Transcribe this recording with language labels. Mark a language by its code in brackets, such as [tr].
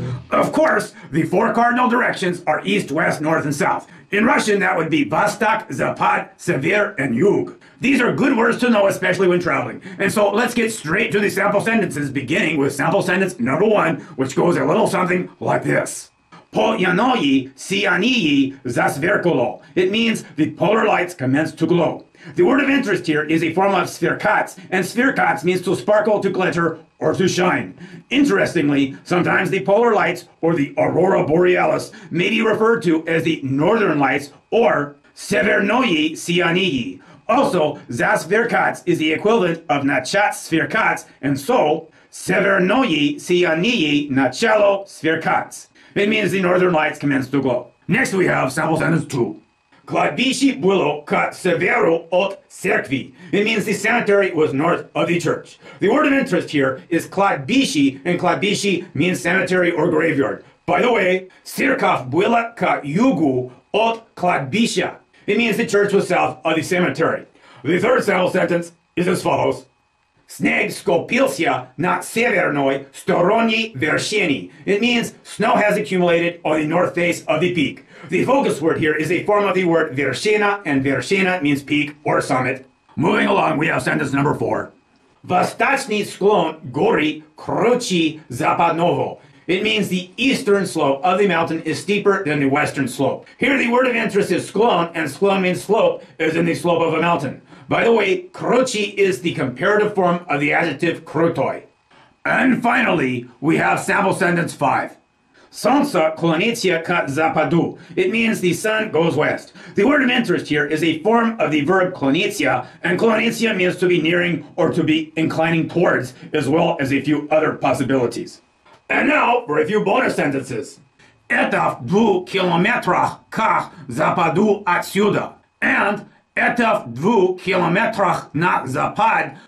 [en] Of course, the four cardinal directions are east, west, north, and south. In Russian, that would be Vostok, Zapad, Sever, and Yug. These are good words to know, especially when traveling. And so let's get straight to the sample sentences, beginning with sample sentence number one, which goes a little something like this. [ru] Полярное сияние засверкало. [en] It means the polar lights commence to glow. The word of interest here is a form of сверкать, and сверкать means to sparkle, to glitter, or to shine. Interestingly, sometimes the polar lights, or the Aurora Borealis, may be referred to as the northern lights, or [ru] северное сияние. Also, засверкать [en] is the equivalent of [ru] начать сверкать, [en] and so, [ru] северное сияние начало сверкать. [en] It means the northern lights commence to glow. Next we have sample sentence two. [ru] Кладбище было к северу от церкви. [en] It means the cemetery was north of the church. The word of interest here is кладбище, and кладбище means cemetery or graveyard. [ru] By the way, церковь была к югу от кладбища. [en] It means the church was south of the cemetery. The third sample sentence is as follows. [ru] Снег скопился на северной стороне вершины. [en] It means snow has accumulated on the north face of the peak. The focus word here is a form of the word вершина, and вершина means peak or summit. Moving along, we have sentence number four. [ru] Восточный склон горы круче западного. [en] It means the eastern slope of the mountain is steeper than the western slope. Here the word of interest is склон, and склон means slope, as in the slope of a mountain. By the way, круче is the comparative form of the adjective крутой. And finally, we have sample sentence five. [ru] Солнце клонится к западу. [en] It means the sun goes west. The word of interest here is a form of the verb клонится, and клонится means to be nearing or to be inclining towards, as well as a few other possibilities. And now for a few bonus sentences. [ru] Это в 2 километрах к западу отсюда. And это в 2 километрах на запад.